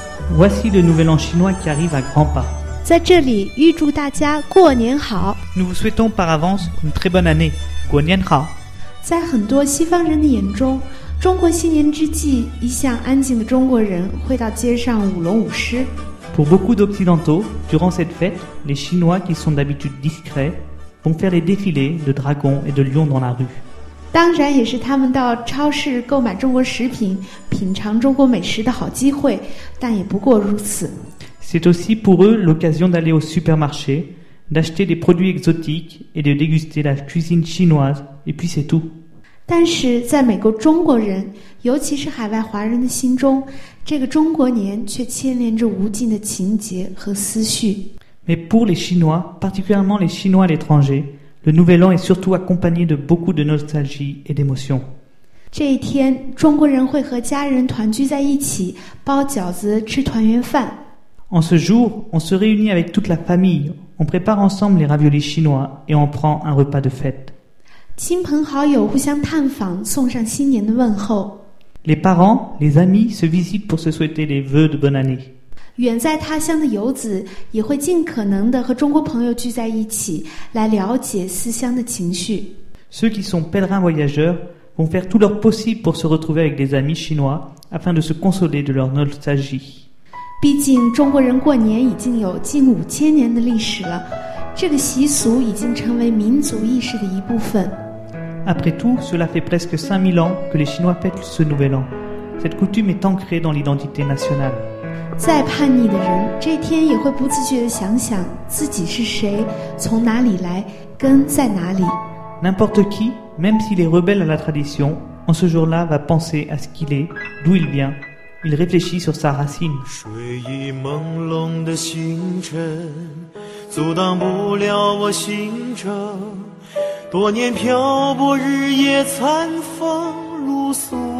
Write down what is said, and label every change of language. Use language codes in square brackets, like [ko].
[fr] Voici le nouvel an chinois qui arrive à grands pas. [zh] 在这里预祝大家过年好。 [fr] Nous vous souhaitons par avance une très bonne année. [zh] 过年好。在很多西方人的眼中，中国新年之际，一向安静的中国人会到街上舞龙舞狮。 [fr] Pour beaucoup d'occidentaux, durant cette fête, les Chinois qui sont d'habitude discrets vont faire les défilés de dragons et de lions dans la rue. [zh] 当然也是他们到超市购买中国食品、品尝中国美食的好机会，但也不过如此。 [fr] C'est aussi pour eux l'occasion d'aller au supermarché, d'acheter des produits exotiques et de déguster la cuisine chinoise, et puis c'est tout. [zh] 但是在美国中国人，尤其是海外华人的心中，这个中国年却牵连着无尽的情节和思绪。 [fr] Mais pour les Chinois, particulièrement les Chinois à l'étranger,Le nouvel an est surtout accompagné de beaucoup de nostalgie et d'émotion. [zh] 这一天，中国人会和家人团聚在一起，包饺子，吃团圆饭。 [fr] En ce jour, on se réunit avec toute la famille, on prépare ensemble les raviolis chinois et on prend un repas de fête. [zh] 亲朋好友互相探访，送上新年的问候。 [fr] Les parents, les amis se visitent pour se souhaiter des vœux de bonne année. [zh] 远在他乡的游子也会尽可能的和中国朋友聚在一起，来了解思乡的情绪。 [fr] Ceux qui sont pèlerins voyageurs vont faire tout leur possible pour se retrouver avec des amis chinois afin de se consoler de leur nostalgie. [zh] 毕竟中国人过年已经有近五千年的历史了，这个习俗已经成为民族意识的一部分。 [fr] Après tout, cela fait presque 5000 ans que les Chinois fêtent ce nouvel an. Cette coutume est ancrée dans l'identité nationale. [zh] 再叛逆的人，这天也会不自觉地想想自己是谁，从哪里来，根在哪里。 [fr] N'importe qui, même s'il est rebelle à la tradition, en ce jour-là va penser à ce qu'il est, d'où il vient. Il réfléchit sur sa racine. [zh] 睡意朦胧的星辰，阻挡不了我行程。多年漂泊，日夜餐风露宿。